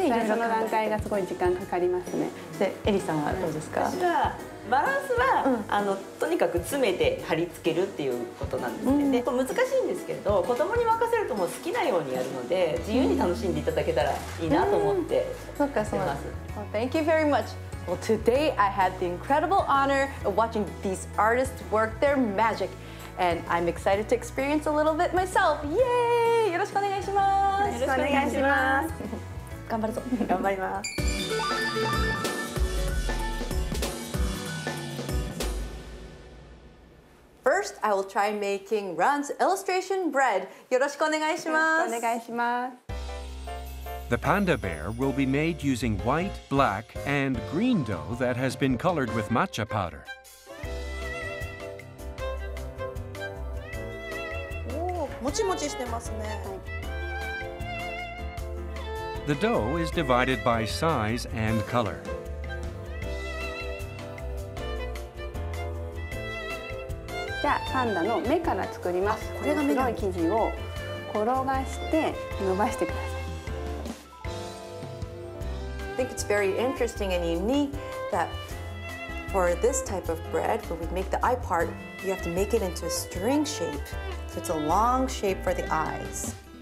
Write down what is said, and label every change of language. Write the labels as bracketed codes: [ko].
[ja] 最初の段階がすごい時間かかりますね。でエリさんはどうですか？バランスは、うん、とにかく詰めて貼り付けるっていうことなんですね、うん、で難しいんですけれど子供に任せるともう好きなようにやるので自由に楽しんでいただけたらいいなと思ってやってます。 [en] Thank you very much. Well, today I had the incredible honor of watching these artists work their magic and I'm excited to experience a little bit myself. Yay! [ja] よろしくお願いします。よろしくお願いします。頑張るぞ。頑張ります。 [en] First, I will try making Ran's illustration bread. [ja] よろしくお願いします。お願いします。 [en] The panda bear will be made using white, black, and green dough that has been colored with matcha powder. [ja] もちもちしてますね。 [en] The dough is divided by size and color. [ja] じゃあパンダの目から作ります。これが目の生地を転がして伸ばしてください。 [en] I think it's very interesting and unique that for this type of bread when we make the eye part you have to make it into a string shape, so it's a long shape for the eyes.